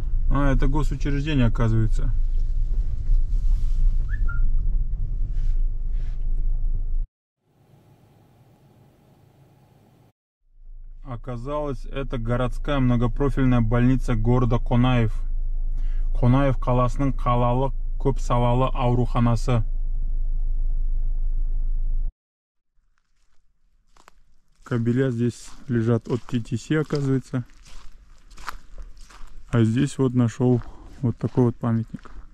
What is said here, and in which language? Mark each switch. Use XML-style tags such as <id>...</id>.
<ru>А, это госучреждение, оказывается. Оказалось, это городская многопрофильная больница города Конаев.</ru> <kk>Конаев қаласының қалалық көп салалы ауруханасы.</kk> <ru>Кабеля здесь лежат от ТТС, оказывается. А здесь вот нашел вот такой вот памятник.</ru>